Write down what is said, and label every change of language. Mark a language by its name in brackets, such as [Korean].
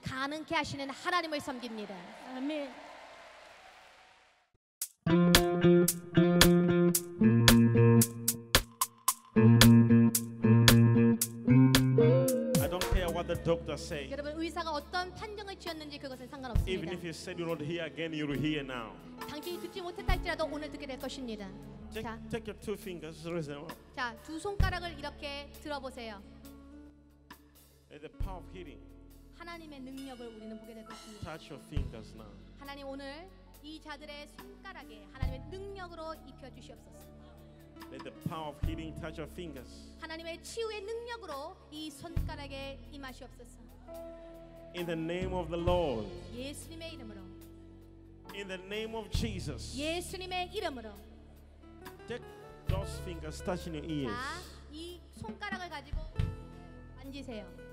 [Korean] 가능케 하시는 하나님을 섬깁니다. 아멘. 여러분 의사가 어떤 판정을 지었는지 그것은 상관없습니다. [English] Even if you said you don't hear again, you will hear now. [Korean] 당신이 듣지 못했을지라도 오늘 듣게 될 것입니다. [English] Take your two fingers, raise them up. [Korean] 자, 두 손가락을 이렇게 들어보세요. [English] The power of healing. [Korean] 하나님의 능력을 우리는 보게 될 것입니다. [English] Touch your fingers now. [Korean] 하나님 오늘 이 자들의 손가락에 하나님의 능력으로 입혀 주시옵소서. [English] Let the power of healing touch your fingers. [Korean] 하나님의 치유의 능력으로 이 손가락에 임하시옵소서. [English] In the name of the Lord. [Korean] 예수님의 이름으로. [English] In the name of Jesus. [Korean] 예수님의 이름으로. [English] Take those fingers, touch in your ears. [Korean] 자, 이 손가락을 가지고 만지세요.